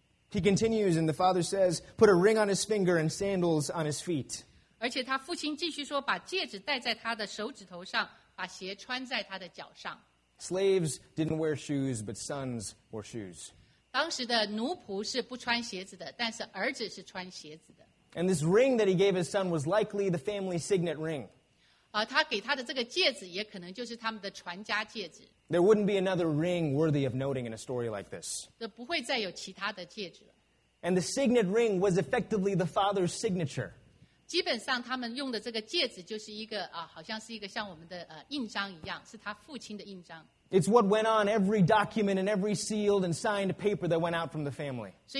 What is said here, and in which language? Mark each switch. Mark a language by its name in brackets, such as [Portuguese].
[English] He continues, and the father says, "Put a ring on his finger and sandals on his feet." [Chinese] 而且他父亲继续说，把戒指戴在他的手指头上，把鞋穿在他的脚上。 [English] Slaves didn't wear shoes, but sons wore shoes. [Chinese] 当时的奴仆是不穿鞋子的，但是儿子是穿鞋子的。 [English] And this ring that he gave his son was likely the family signet ring. [Chinese] 他给他的这个戒指也可能就是他们的传家戒指。 [English] There wouldn't be another ring worthy of noting in a story like this. [Chinese] 不会再有其他的戒指了。 [English] And the signet ring was effectively the father's signature. [Chinese] 基本上他们用的这个戒指就是一个, 好像是一个像我们的, 印章一样, 是他父亲的印章。 [English] It's what went on every document and every sealed and signed paper that went out from the family.